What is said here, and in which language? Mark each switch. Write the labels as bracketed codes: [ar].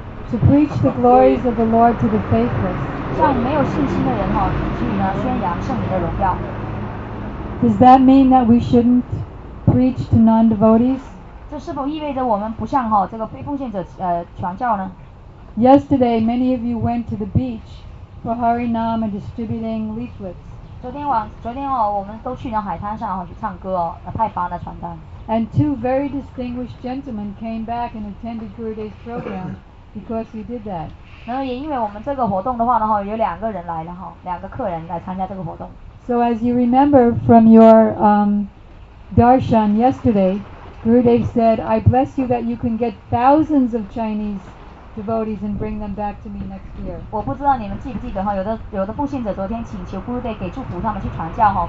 [en] To preach the glories of the Lord to the faithless. [zh] 向没有信心的人哈，去呢宣扬圣名的荣耀。 [en] Does that mean that we shouldn't preach to non-devotees? [zh] 这是否意味着我们不向哈这个非奉献者传教呢 [en] ？Yesterday, many of you went to the beach for Hari Nam and distributing leaflets. [zh] 昨天哦，我们都去海滩上去唱歌哦，派发的传单。 [en] And two very distinguished gentlemen came back and attended Gurudev's program because we did that. [zh] 然后也因为我们这个活动的话呢，有两个人来了哈，两个客人来参加这个活动。 [en] So as you remember from your darshan yesterday, Gurudev said, "I bless you that you can get thousands of Chinese." devotees and bring them back to me next year. [zh] 我不知道你们记不记得哈，有的奉献者昨天请求 Gurudev 给祝福他们去传教哈。